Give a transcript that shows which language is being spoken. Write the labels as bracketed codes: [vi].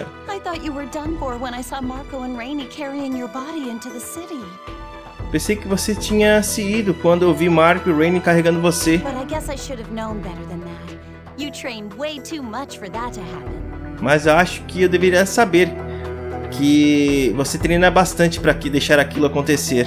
[en] I thought you were done for when I saw Marco and Rainy carrying your body into the city. [pt] Pensei que você tinha se ido quando eu vi Marco e Rainy carregando você. [en] But I guess I should have known better than that. You trained way too much for that to happen. [pt] Mas acho que eu deveria saber que você treina bastante para que deixar aquilo acontecer.